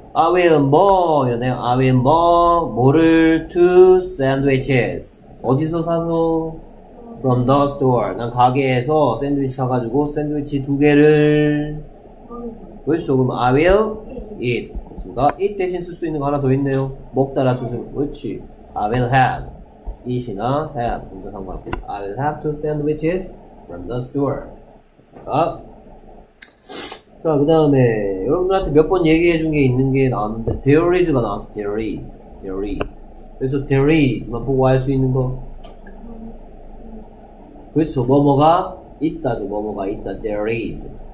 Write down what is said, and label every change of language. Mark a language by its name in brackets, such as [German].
[English] I will [Korean] 뭐, 이러네요. [English] I will [Korean] 뭐, 뭐를 [English] to sandwiches. [Korean] 어디서 사서? [English] From the store. [Korean] 난 가게에서 샌드위치 사가지고 샌드위치 두 개를. 그렇죠. 그럼 [English] I will eat. [Korean] 됐습니까? eat 대신 쓸 수 있는 거 하나 더 있네요. 먹다라는 뜻은. 그렇지. [English] I will have. [Korean] eat이나 have. 둘 다 상관없고. [English] I will have two sandwiches from the store. [Korean] 됐습니까? 자, 그 다음에 여러분들한테 몇 번 얘기해 준 게 있는 게 나왔는데 there is가 나왔어. [English] there is. there is. [Korean] 그래서 there is만 보고 알 수 있는 거. 그렇죠. 뭐뭐가 있다죠. 뭐뭐가 있다. there is.